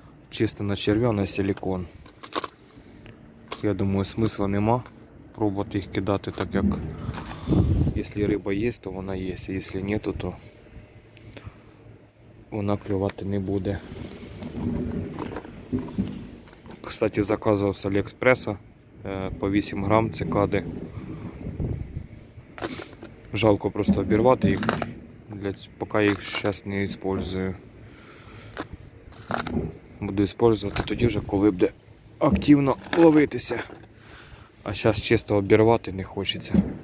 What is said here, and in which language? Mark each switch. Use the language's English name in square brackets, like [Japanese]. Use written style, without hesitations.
[Ukrainian] Чисто на червя, на силикон. Я думаю, смисла нема пробувати їх кидати, так як, якщо риба є, то вона є, а якщо ні, то вона клювати не буде. [Russian] Кстати, заказывал с Алиэкспресса по 8 грамм цикады. Жалко просто обервать их, пока я их сейчас не использую. Буду использовать, [Ukrainian] тоді уже, коли буде активно ловитися. [Russian] А сейчас чисто обервать не хочется.